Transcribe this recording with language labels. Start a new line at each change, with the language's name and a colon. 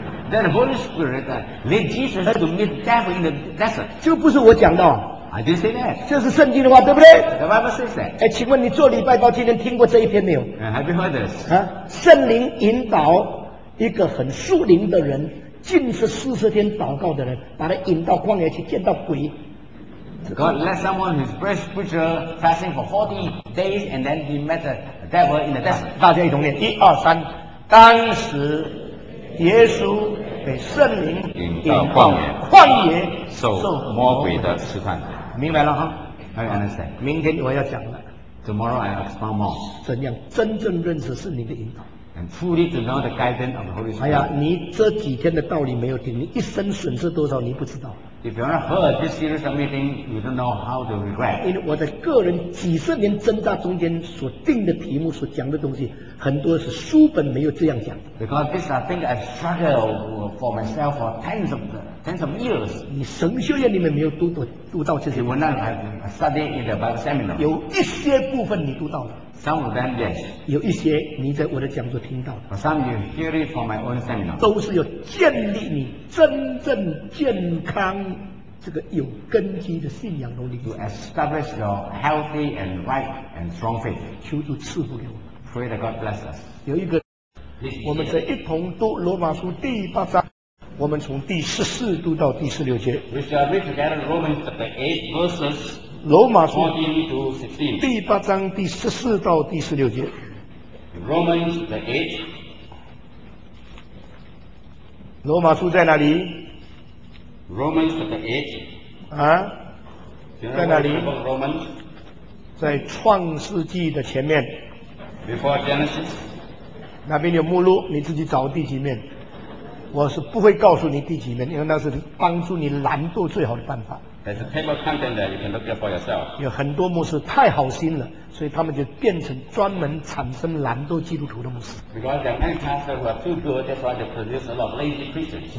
English: Then the Holy Spirit led Jesus to meet devil in the desert.
Chinese: 这不是我讲的。
English: I didn't say that.
Chinese: 这是圣经的话，对不对
English: ？The Bible says that.
Chinese: 哎，请问你做礼拜到今天听过这一篇没有
English: ？Have you heard this?
Chinese: 啊，圣灵引导一个很属灵的人，禁食40天祷告的人，把他引到旷野去见到鬼。
English: God led someone who's very spiritual fasting for 40 days, and then he met the devil in the desert.
Chinese: 大家一同念，一二三，当时耶稣被圣灵引到旷野，旷野受魔鬼的试探。明白了哈
English: ？I understand.
Chinese: 明天我要讲了。
English: Tomorrow I'll explain more.
Chinese: 怎样真正认识圣灵的引导
English: ？And truly to know the guidance of the Holy Spirit.
Chinese: 哎呀，你这几天的道理没有听，你一生损失多少你不知道。
English: If you haven't heard this series of meeting, you don't know how to regret.
Chinese: 因为我的个人几十年挣扎中间所定的题目所讲的东西，很多是书本没有这样讲。
English: Because this I think I struggle for myself for tens of years.
Chinese: 你神学院里面没有读到这些。
English: You will not have studied in the Bible seminar.
Chinese: 有一些部分你读到了。
English: Some of them, yes.
Chinese: 有一些你在我的讲座听到的。
English: Some you hear it from my own seminar.
Chinese: 都是有建立你真正健康这个有根基的信仰能力。
English: To establish your healthy and right and strong faith.
Chinese: 求主赐福给我。
English: Pray that God bless us.
Chinese: 有一个，我们在一同读罗马书第八章，我们从第十四读到第十六节。
English: We shall read together Romans chapter 8 verses.
Chinese: 罗马书第八章第十四到第十六节。
English: Romans the eighth。
Chinese: 罗马书在哪里
English: ？Romans the eighth。
Chinese: 啊？在哪里
English: ？Romans。
Chinese: 在创世纪的前面。
English: Before Genesis。
Chinese: 那边有目录，你自己找第几面。我是不会告诉你第几面，因为那是帮助你懒惰最好的办法。
English: There's a table content there, you can look it for yourself.
Chinese: 有很多牧师太好心了，所以他们就变成专门产生懒惰基督徒的牧师。
English: Because there are many pastors who are too good, that's why they produce a lot of lazy Christians.